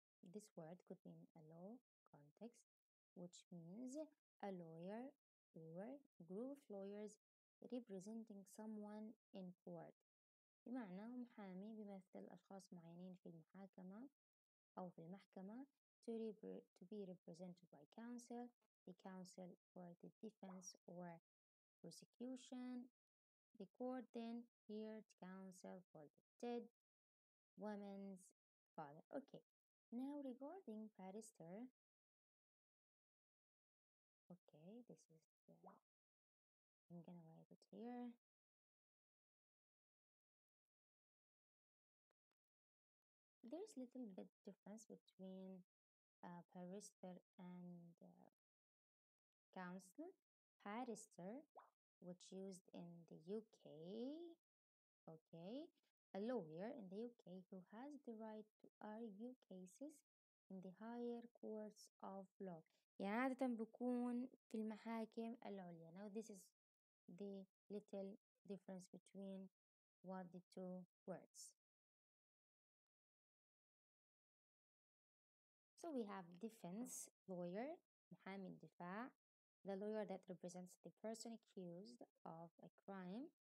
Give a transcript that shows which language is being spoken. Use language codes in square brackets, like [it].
[en] This word could be in a law context, which means a lawyer or group of lawyers representing someone in court. [ar] بمعنى محامي بيمثل أشخاص معينين في المحاكمة أو في المحكمة. [en] To be represented by counsel, the counsel for the defense or prosecution, the court then heard counsel for the dead woman's father. Okay, now regarding barrister. Okay, this is the, I'm gonna write it here. There's little bit difference between barrister and counsel. Barrister, which used in the UK, okay, a lawyer in the UK who has the right to argue cases in the higher courts of law. [ar] يعني عادة بكون في المحاكم العليا. [en] Now this is the little difference between what the two words. So we have defense lawyer, [ar] محامي الدفاع, [en] the lawyer that represents the person accused of a crime.